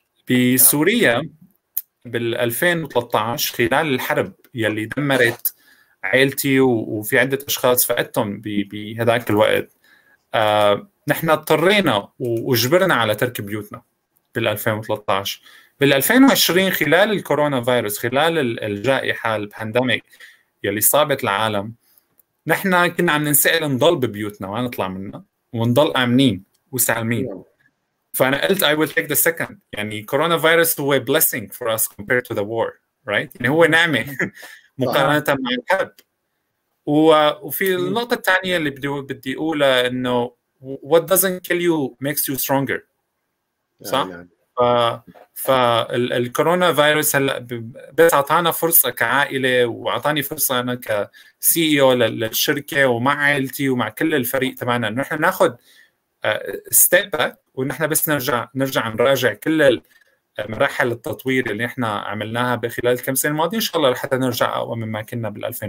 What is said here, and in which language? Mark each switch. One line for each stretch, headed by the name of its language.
Arabic: بسوريا بال 2013 خلال الحرب يلي دمرت عائلتي وفي عدة اشخاص فقدتهم بهذاك الوقت، نحن اضطرينا واجبرنا على ترك بيوتنا بال 2013. بال 2020 خلال الكورونا فيروس، خلال الجائحة البانديميك يلي صابت العالم، نحن كنا عم ننسأل نضل ببيوتنا وما نطلع منها ونضل امنين وسالمين. فأنا قلت
English: I will take the second،
Arabic: يعني كورونا فيروس هو
English: blessing for us compared to the war،
Arabic: right؟ يعني هو نعمة مقارنة مع الحرب. وفي النقطة الثانية اللي بدي أقولها إنه
English: what doesn't kill you makes you stronger،
Arabic: صح؟ فالكورونا فيروس هلأ بس أعطانا فرصة كعائلة، وأعطاني فرصة أنا كCEO للشركة ومع عائلتي ومع كل الفريق تبعنا إنه إحنا نأخذ step back، ونحن بس نرجع نراجع كل مراحل التطوير اللي احنا عملناها بخلال كم سنة الماضية، ان شاء الله لحتى نرجع اقوى مما كنا بال